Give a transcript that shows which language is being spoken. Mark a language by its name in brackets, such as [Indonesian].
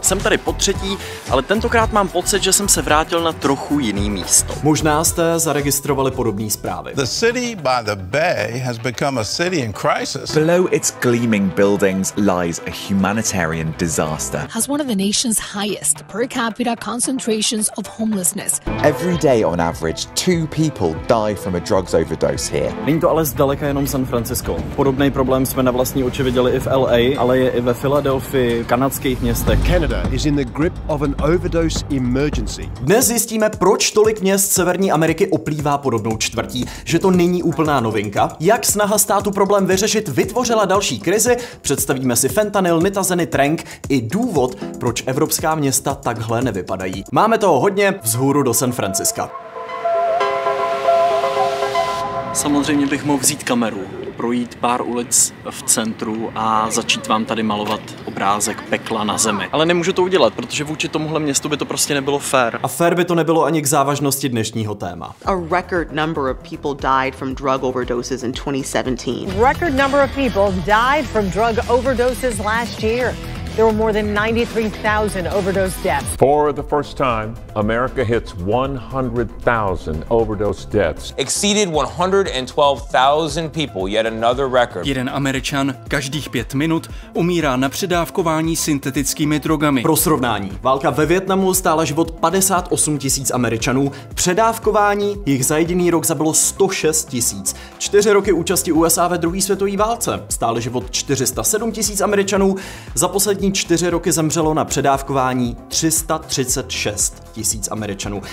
[Czech] Jsem tady po třetí, ale tentokrát mám pocit, že jsem se vrátil na trochu jiný místo. Možná jste zaregistrovali podobné zprávy. [English] The city by the bay has become a city in crisis. Below its gleaming buildings lies a humanitarian disaster. Has one of the nation's highest per capita concentrations of homelessness. Every day on average, two people die from a drugs overdose here. [Czech] Není to ale zdaleka jenom San Francisco. Podobný problém jsme na vlastní oči viděli i v LA, ale je i ve Filadelfii, kanadských městech. [English] Canada is in the grip of an overdose emergency. [Czech] Dnes zjistíme, proč tolik měst Severní Ameriky oplývá podobnou čtvrtí, že to není úplná novinka, jak snaha státu problém vyřešit vytvořila další krizi, představíme si fentanyl, nitazeny, trenk i důvod, proč evropská města takhle nevypadají. Máme toho hodně, vzhůru do San Francisca. Samozřejmě bych mohl vzít kameru, projít pár ulic v centru a začít vám tady malovat obrázek pekla na zemi. Ale nemůžu to udělat, protože vůči tomuhle městu by to prostě nebylo fair. A fair by to nebylo ani k závažnosti dnešního téma. [English] A record number of people died from drug overdoses in 2017. Record number of people died from drug overdoses last year. There were more than 93,000 overdose deaths. For the first time, America hits 100,000 overdose deaths. Exceeded 112,000 people, yet another record. [Czech] Jeden Američan každých 5 minut umírá na předávkování syntetickými drogami. Pro srovnání, válka ve Vietnamu stála život 58 tisíc Američanů, předávkování jich za jediný rok zabilo 106 tisíc. 4 roky účasti USA ve druhé světové válce stály život 407 tisíc Američanů, za poslední 4 roky zemřelo na předávkování 336 tisíc Američanů.